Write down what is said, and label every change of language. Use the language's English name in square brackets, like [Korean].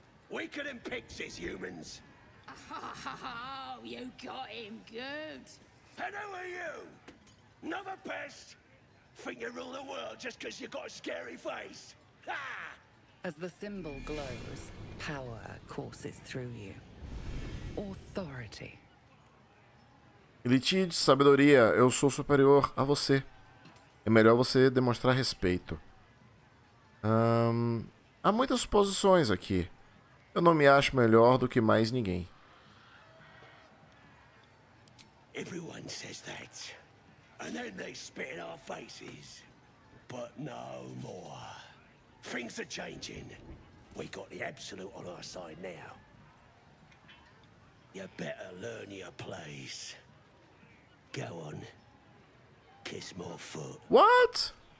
[English] Weaker than pixies, humans. Oh, you got him good. And who are you? Another pest? Think you rule the world just because you got a scary face? Ha! As the symbol glows, power courses through you. Authority. [Portuguese] Elitid, sabedoria, eu sou superior a você. É melhor você demonstrar respeito. Há muitas posições aqui. Eu não me acho melhor do que mais ninguém. [English] Everyone says that. And then they spit in our faces. But no more. Things are changing. We got the absolute on our side now. You better learn your place. Go on. Kiss more foot. What?